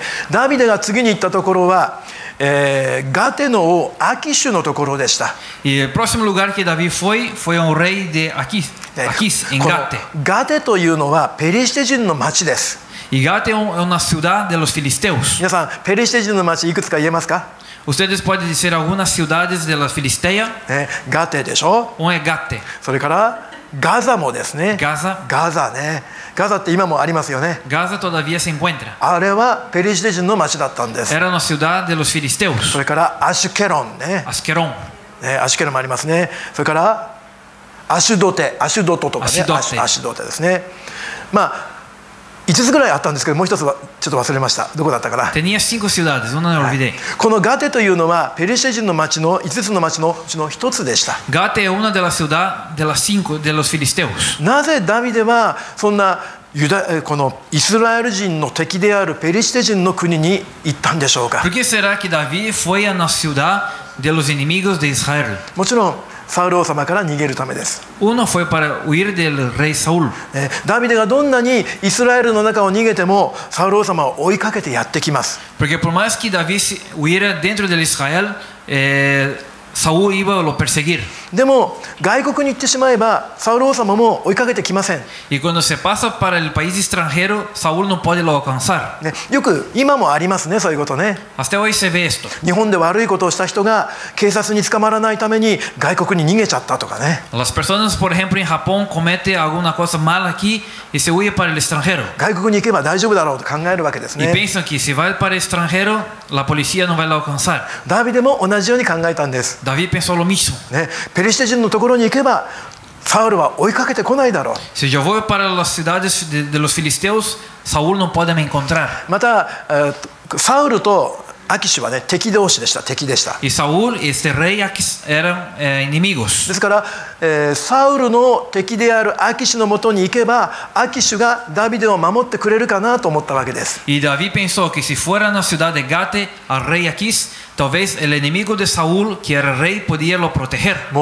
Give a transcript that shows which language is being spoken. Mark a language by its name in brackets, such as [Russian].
[Japanese] David が次に行ったところは、ガテの王アキシュのところでした。 [Spanish] Y el próximo lugar que David fue fue un rey de Aquis. Aquis, en Gate. [Japanese] Gate というのはペリシテ人の町です。 [Spanish] Y Gate es una ciudad de los filisteos. [Japanese] 皆さん、ペリシテ人の町いくつか言えますか？ [Spanish] Ustedes pueden decir algunas ciudades de la Filistea. [Japanese] Gate でしょ？ [Spanish] Un Gate. [Japanese] それからガザもですね。 [Spanish] Gaza. [Japanese] Gaza ね。ガザって今もありますよね。 [Spanish] Gaza todavía se encuentra. [Japanese] あれはペリシテ人の町だったんです。 [Spanish] Era una ciudad de los filisteos. [Japanese] それからアシュケロンね。 [Spanish] Ashkelon. [Japanese] アシュケロンもありますね。それからアシュドテ、アシュドトとかね、アシュドテですね。まあ5つぐらいあったんですけど、もう一つはちょっと忘れました。どこだったかな。 [Spanish] テニア5 ciudades, una olvidé. [Japanese] い、このガテというのはペリシテ人の町の5つの町のうちの1つでした。 [Spanish] ガテ es una de las ciudades de las 5 de los filisteos. [Japanese] なぜダビデはそんなこのイスラエル人の敵であるペリシテ人の国に行ったんでしょうか。 [Spanish] Por qué será que David fue a la ciudad de los enemigos de Israel? [Japanese] もちろんサウル王様から逃げるためです。 [Spanish] Uno fue para huir del rey Saúl. [Japanese] ダビデがどんなにイスラエルの中を逃げてもサウル王様を追いかけてやってきます。 [Spanish] Porque por más que David huyera dentro de Israel, [Japanese] サウル王を [Spanish] perseguir。 [Japanese] でも外国に行ってしまえばサウル王様も追いかけてきません。 [Spanish] Y cuando se pasa para el país extranjero, Saúl no puede lo alcanzar。 [Japanese] ね、よく今もありますね、そういうことね。 [Spanish] Hasta hoy se ve esto。 [Japanese] 日本で悪いことをした人が警察に捕まらないために外国に逃げちゃったとかね。 [Spanish] Las personas, por ejemplo, en Japón cometen alguna cosa mal aquí y se huye para el extranjero。 [Japanese] 外国に行けば大丈夫だろうと考えるわけですね。 [Spanish] Y piensan que si va para el extranjero, la policía no va a lo alcanzar。 [Japanese] ダビデも同じように考えたんです。 [Spanish] ダビデ pensó lo mismo。 [Japanese] ね、ペリシテ人のところに行けばサウルは追いかけてこないだろう。 [Spanish] Si yo voy para las ciudades de los filisteos, Saúl no puede me encontrar。 [Japanese] また、サウルとアキシュは、ね、敵同士でした。敵でした。 [Spanish] Y Saúl y este rey Aquis eran enemigos。 [Japanese] ですから、サウルの敵であるアキシュのもとに行けばアキシュがダビデを守ってくれるかなと思ったわけです。 [Spanish] Y David pensó que si fuera a la ciudad de Gate al rey Aquis,Tal vez el enemigo de Saúl, que era rey, podía lo proteger.